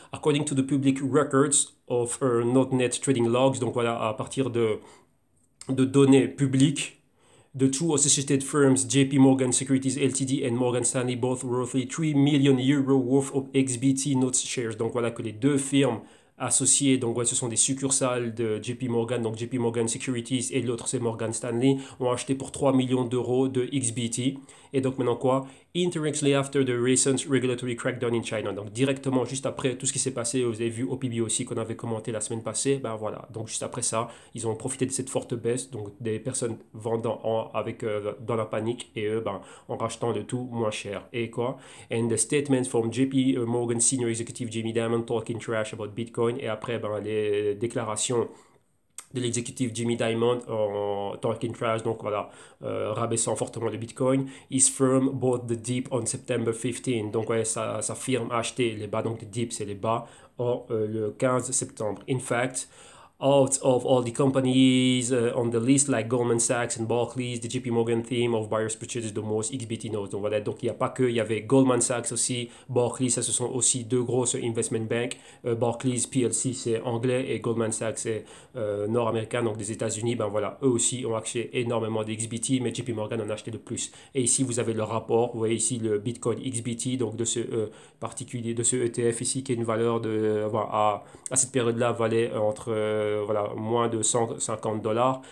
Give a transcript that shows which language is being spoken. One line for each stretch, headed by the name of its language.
English: According to the public records of Notnet trading logs,
French: donc voilà, à partir de données publiques,
English: the two associated firms, JP Morgan Securities LTD and Morgan Stanley, both roughly 3 million euros worth of XBT notes shares.
French: Donc voilà que les deux firmes associés, donc ouais, ce sont des succursales de JP Morgan, donc JP Morgan Securities, et l'autre c'est Morgan Stanley, ont acheté pour 3 millions d'euros de XBT. Et donc maintenant quoi?
English: Indirectly after the recent regulatory crackdown in China.
French: Donc directement, juste après tout ce qui s'est passé, vous avez vu au PB aussi qu'on avait commenté la semaine passée, ben voilà, donc juste après ça, ils ont profité de cette forte baisse, donc des personnes vendant dans la panique, et eux, ben, en rachetant le tout moins cher. Et quoi?
English: And the statements from JP Morgan senior executive Jimmy Dimon talking trash about Bitcoin.
French: Et après, ben, les déclarations de l'exécutif Jimmy Dimon en
English: talking trash,
French: donc voilà, rabaissant fortement le Bitcoin.
English: His firm bought the dip on September 15.
French: Donc ouais, sa firme a acheté les bas, donc le dip c'est les bas, le 15 septembre.
English: In fact, out of all the companies on the list, like Goldman Sachs and Barclays, the JP Morgan theme of buyers purchases the most XBT notes.
French: Donc voilà, donc il n'y a pas que, il y avait Goldman Sachs aussi, Barclays, ça ce sont aussi deux grosses investment banks. Barclays PLC c'est anglais et Goldman Sachs c'est nord-américain, donc des États-Unis. Ben voilà, eux aussi ont acheté énormément d'XBT, mais JP Morgan en a acheté le plus. Et ici vous avez le rapport, vous voyez ici le Bitcoin XBT, donc de ce particulier, de ce ETF ici, qui est une valeur de, à cette période-là, valait entre voilà, moins de $150.